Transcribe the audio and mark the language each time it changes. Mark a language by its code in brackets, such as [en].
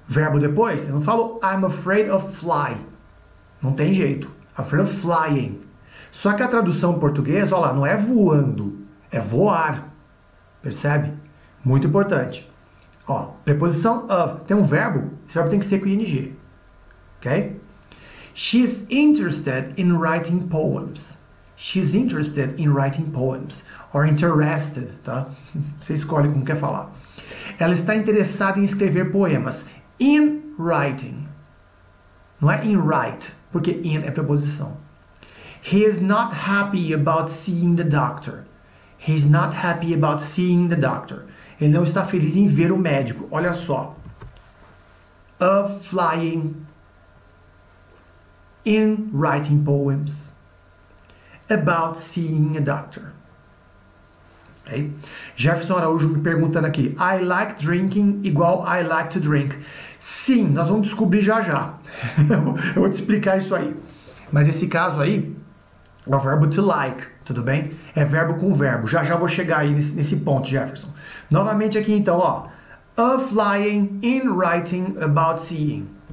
[pt] Verbo depois, eu não falo [en] I'm afraid of fly. [pt] Não tem jeito. [en] I'm afraid of flying. [pt] Só que a tradução em português, olha lá, não é voando. É voar. Percebe? Muito importante. Ó, preposição of. Tem um verbo. Esse verbo tem que ser com ing. Ok? [en] She's interested in writing poems. She's interested in writing poems. Or interested, tá? [pt] Você escolhe como quer falar. Ela está interessada em escrever poemas. [en] In writing. [pt] Não é [en] in write. [pt] Porque in é preposição. [en] He is not happy about seeing the doctor. He's not happy about seeing the doctor. [pt] Ele não está feliz em ver o médico. Olha só. [en] Of flying. In writing poems. About seeing a doctor. Okay? [pt] Jefferson Araújo me perguntando aqui. [en] I like drinking [pt] igual [en] I like to drink. [pt] Sim, nós vamos descobrir já já. Eu vou te explicar isso aí. Mas esse caso aí, é o verbo to like, tudo bem? É verbo com verbo. Já vou chegar aí nesse ponto, Jefferson. Novamente aqui então, ó. [en] Of flying, in writing, about seeing.